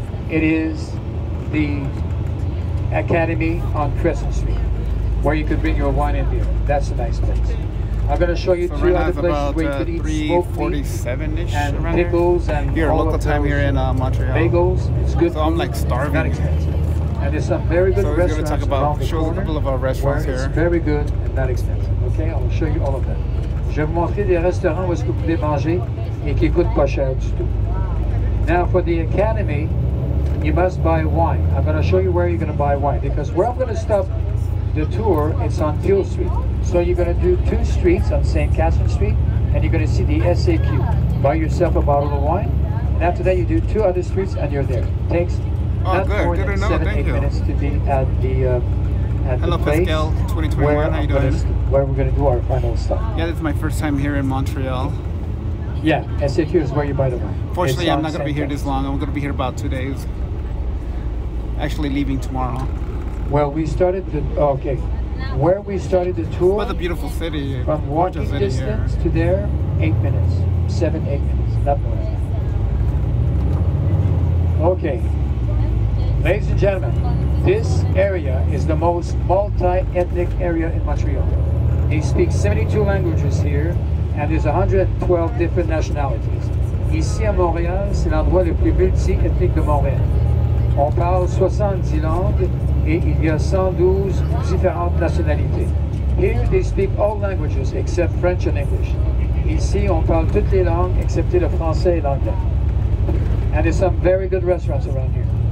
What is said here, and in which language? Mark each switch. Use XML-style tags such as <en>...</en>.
<en>It is the Academy on Crescent Street, where you could bring your wine and beer. That's a nice place. I'm going to show you two other places where you could eat smoked meat and pickles and here, local time here in Montreal. Bagels. It's good. So I'm like starving. And there's some very good restaurants around the corner. So we're going to talk about a couple of our restaurants here. It's very good and not expensive. Okay, I'll show you all of that.</en> <fr>Je vais vous montrer des restaurants où est-ce que vous pouvez manger et qui ne coûtent pas cher du tout.</fr> <en>Now, for the Academy, you must buy wine. I'm going to show you where you're going to buy wine. Because where I'm going to stop the tour, it's on Peel Street. So you're going to do two streets on St. Catherine Street, and you're going to see the SAQ. Buy yourself a bottle of wine, and after that, you do two other streets, and you're there. It takes not more than 7-8 minutes to be at the at Hello, the place. Pascal, 2021. How you doing? Where we're going to do our final stop. Yeah, this is my first time here in Montreal. Yeah, SAQ is where you, by the way. Fortunately, I'm not going to be here this long. I'm going to be here about 2 days. Actually, leaving tomorrow. Well, we started the... Okay. Where we started the tour... What a beautiful city. From walking city distance here. To there, 8 minutes. 7-8 minutes. Not more. Okay. Ladies and gentlemen, this area is the most multi-ethnic area in Montreal. They speak 72 languages here, and there's 112 different nationalities.</en> <fr>Ici à Montréal, c'est l'endroit le plus multi-ethnique de Montréal. On parle 70 langues et il y a 112 différentes nationalités.</fr> <en>Here they speak all languages except French and English.</en> <fr>Ici, on parle toutes les langues excepté le français et l'anglais.</fr> <en>And there's some very good restaurants around here.</en>